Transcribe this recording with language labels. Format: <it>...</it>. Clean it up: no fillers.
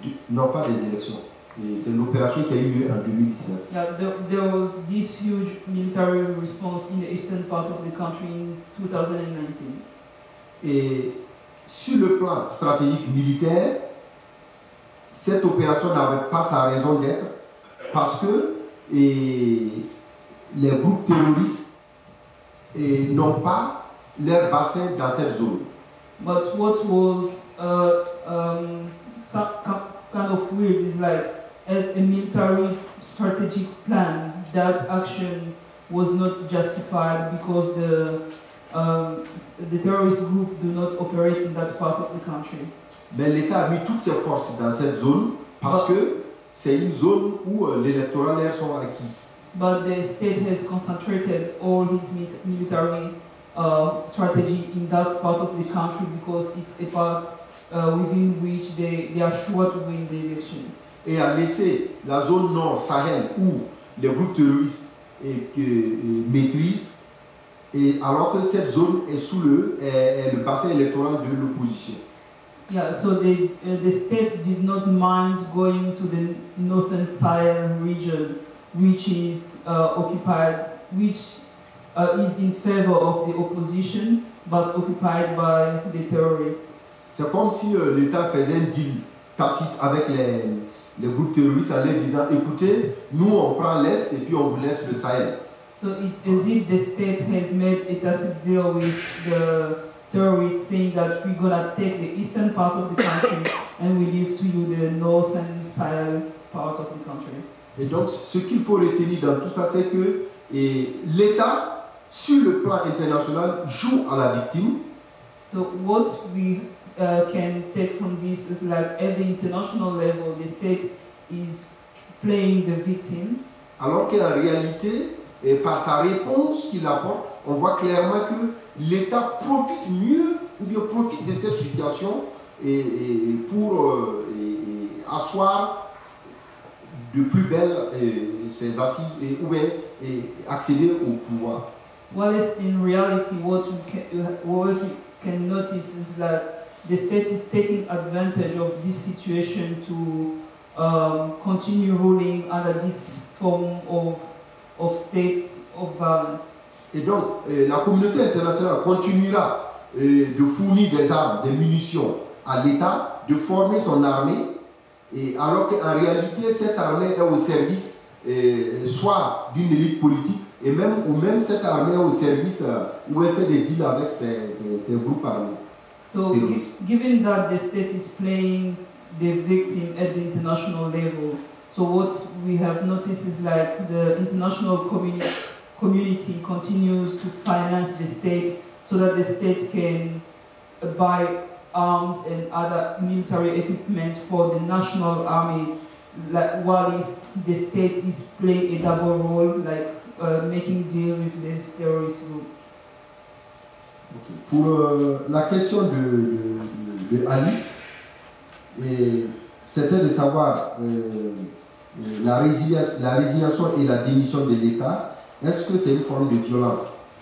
<fr>non pas les élections, c'est une opération qui a eu lieu en 2019.</fr> <en>Yeah, there was this huge military response in the eastern part of the country in 2019.</en> <fr>Et sur le plan stratégique militaire, cette opération n'avait pas sa raison d'être. Parce que les groupes terroristes n'ont pas leur bassin dans cette zone.</fr> <en>But what was kind of weird is like a military strategic plan, that action was not justified because the terrorist group do not operate in that part of the country.</en> <fr>Mais l'État a mis toutes ses forces dans cette zone parce que c'est une zone où l'électoral est sont acquis.</fr> <en>But the state has concentrated all its military strategy in that part of the country because it's a part within which they are sure to win the election.</en> <fr>Et a laissé la zone nord Sahel où les groupes terroristes maîtrisent, et alors que cette zone est sous le bassin électoral de l'opposition.</fr> <en>Yeah, so the state did not mind going to the northern Sahel region, which is occupied, which is in favor of the opposition, but occupied by the terrorists.</en> <fr>C'est comme si l'État faisait un deal tacite avec les groupes terroristes en leur disant, écoutez, nous on prend l'Est et puis on vous laisse le Sahel.</fr> <en>So it's as if the state has made a tacit deal with the terrorists, saying that we're gonna take the eastern part of the country and we leave to you the northern Sahel part of the country.</en> <fr>Et donc, ce qu'il faut retenir dans tout ça, c'est que l'État, sur le plan international, joue à la victime.</fr> <en>So what we can take from this is like at the international level, the state is playing the victim.</en> <fr>Alors qu'en réalité, et par sa réponse qu'il apporte, on voit clairement que l'État profite mieux ou bien profite de cette situation pour asseoir de plus belles ses assises et accéder au pouvoir.</fr> <en>Well, in reality, what we can notice is that the state is taking advantage of this situation to continue ruling under this form of states of violence.</en> <fr>Et donc, la communauté internationale continuera de fournir des armes, des munitions à l'État, de former son armée, et alors qu'en réalité, cette armée est au service soit d'une élite politique, et même ou même cette armée est au service ou elle fait des deals avec ses groupes armés.</fr> <en>So, given that the state is playing the victim at the international level, so what we have noticed is like the international community continues to finance the state so that the state can buy arms and other military equipment for the national army, like while the state is playing a double role, like making deal with these terrorist groups. Okay.</en> <fr>Pour la question de Alice, c'était de savoir la résiliation et la démission de l'État. Est-ce que c'est une forme de violence?</fr>